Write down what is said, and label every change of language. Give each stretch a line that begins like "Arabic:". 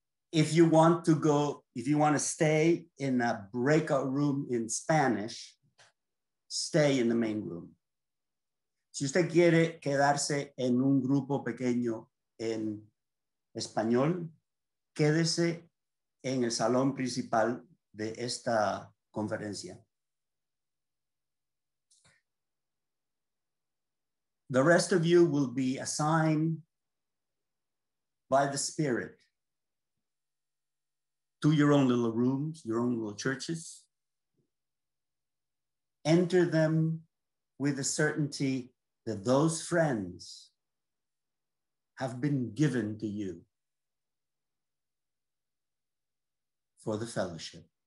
English: If you want to stay in a breakout room in Spanish, stay in the main room.
Spanish: Si usted quiere quedarse en un grupo pequeño en español, quédese en el salón principal de esta conferencia.
English: The rest of you will be assigned by the Spirit to your own little rooms, your own little churches. Enter them with the certainty that those friends have been given to you for the fellowship.